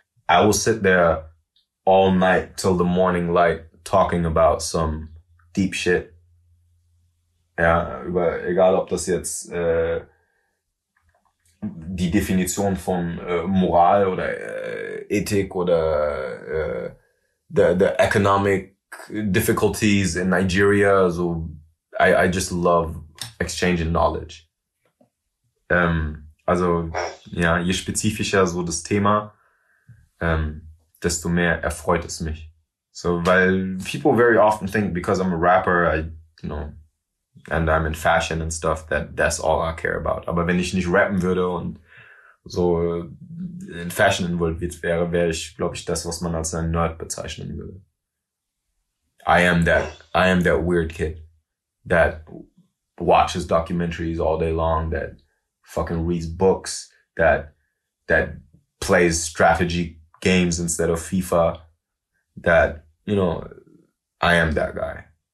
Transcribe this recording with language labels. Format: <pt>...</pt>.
<en>I will sit there all night till the morning light talking about some deep shit.</en> <de>Ja, egal ob das jetzt die Definition von Moral oder Ethik oder</de> <en>the economic difficulties in Nigeria. So, I just love exchanging knowledge.</en> <de>Also, ja, je spezifischer so das Thema, desto mehr erfreut es mich.</de> <en>So,</en> <de>weil</de> <en>people very often think, because I'm a rapper, and I'm in fashion and stuff, that's all I care about.</en> <de>Aber wenn ich nicht rappen würde und so in Fashion involviert wäre, wäre ich, glaube ich, das, was man als ein Nerd bezeichnen würde.</de> <en>I am that weird kid that watches documentaries all day long, that fucking reads books, that plays strategy games instead of FIFA, that, I am that guy.</en>